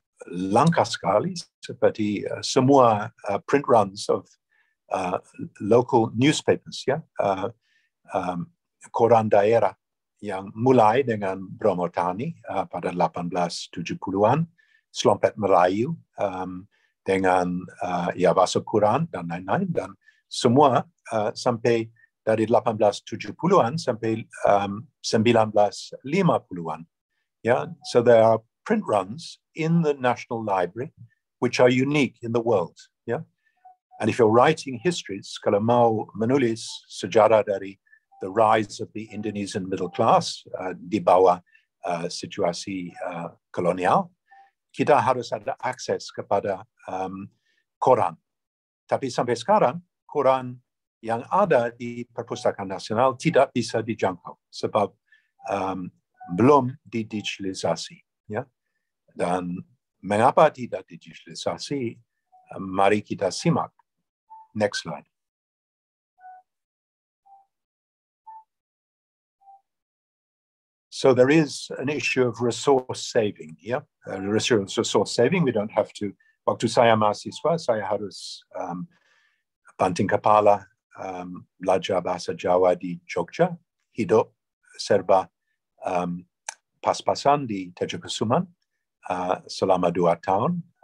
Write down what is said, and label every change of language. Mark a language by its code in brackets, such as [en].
[id] langka sekali, seperti semua [en] print runs of local newspapers, [id] ya, koran daerah yang mulai dengan Bromo Tani pada 1870-an, Selompet Melayu dengan ya Basa Kuran dan lain-lain, dan semua sampai dari 1870-an sampai 1950-an. [en] Yeah, so there are print runs in the National Library, which are unique in the world. Yeah, and if you're writing histories, [id] kalau mau menulis sejarah dari [en] the rise of the Indonesian middle class [id] di bawah situasi kolonial, kita harus ada akses kepada koran. Tapi sampai sekarang, koran yang ada di Perpustakaan Nasional tidak bisa dijangkau sebab belum didigitalisasi, ya. Dan mengapa tidak didigitalisasi? Mari kita simak. [en] Next slide. So there is an issue of resource saving, ya. Resource saving. We don't have to. [id] Waktu saya mahasiswa, saya harus banting kepala belajar bahasa Jawa di Jogja, hidup serba pas-pasan di Tejakusuman selama dua tahun.